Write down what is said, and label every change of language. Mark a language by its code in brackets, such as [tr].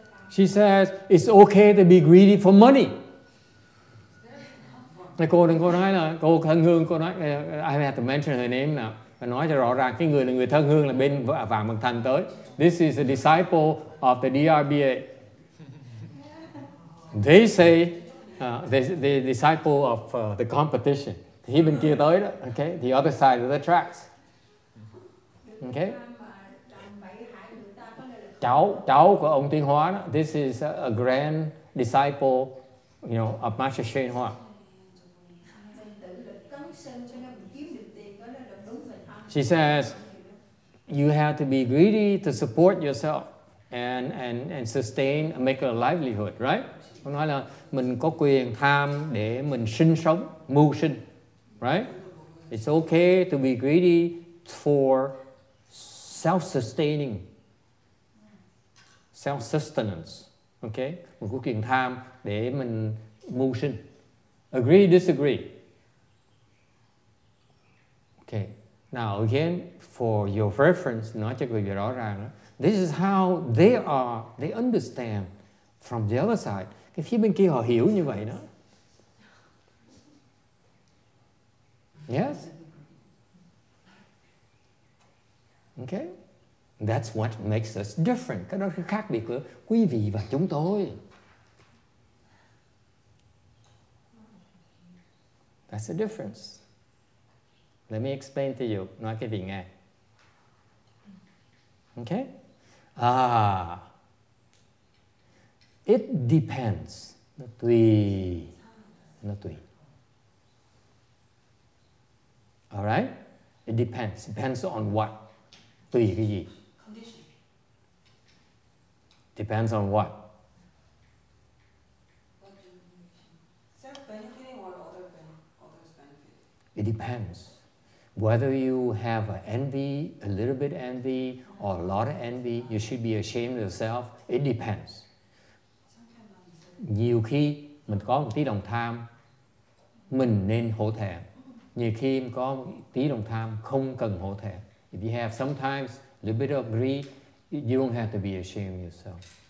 [en] She says, it's okay to be greedy for money. [vi] Cô đừng có nói là, cô thân hương, cô nói, [en] I have to mention her name now. [vi] Và nói cho rõ ràng, cái người là người thân hương là bên Vạn Bằng Thành tới. [en] This is a disciple of the DRBA. They say, the disciple of the competition. [vi] Thì bên kia tới đó, [en] okay, the other side of the tracks. Okay. [vi] Cháu của ông Tiên Hóa đó. [en] This is a grand disciple, you know, of Master Shen Hua. She says, you have to be greedy to support yourself and sustain and make a livelihood, right? [vi] Cô nói là mình có quyền tham để mình sinh sống, mưu sinh, right? [en] It's okay to be greedy for self-sustaining. Self-sustenance, okay? [vi] Mình có quyền tham để mình mưu sinh. [en] Agree, disagree? Okay. Now again, for your reference, [vi] nói cho quý vị rõ ràng, [en] this is how they understand from the other side. [vi] Cái phía bên kia họ hiểu như vậy đó. [en] Yes? Okay? That's what makes us different. [vi] Cái đó là khác biệt của quý vị và chúng tôi. [en] That's the difference. Let me explain to you. Not kidding, eh? Okay? Ah. It depends. Not we. All right? It depends. Depends on what? Condition. Depends on what? Self-benefiting or others benefit? It depends. Whether you have envy, a little bit envy, or a lot of envy, you should be ashamed of yourself. It depends. [vi] Nhiều khi mình có một tí lòng tham, mình nên hổ thẹn. Nhiều khi mình có một tí lòng tham, không cần hổ thẹn. [en] If you have sometimes a little bit of greed, you don't have to be ashamed of yourself.